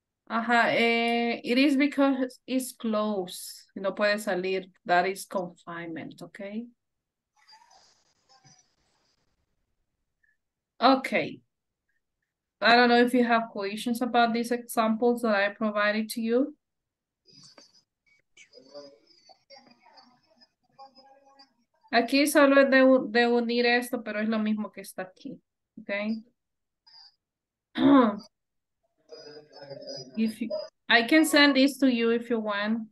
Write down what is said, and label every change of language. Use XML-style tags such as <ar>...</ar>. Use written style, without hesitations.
<en>It is because it's closed.</en> <es>No puede salir.</es> <en>That is confinement, okay? Okay. I don't know if you have questions about these examples that I provided to you.</en> <es>Aquí solo es de unir esto, pero es lo mismo que está aquí, okay?</es> <en>If you, I can send this to you if you want.</en>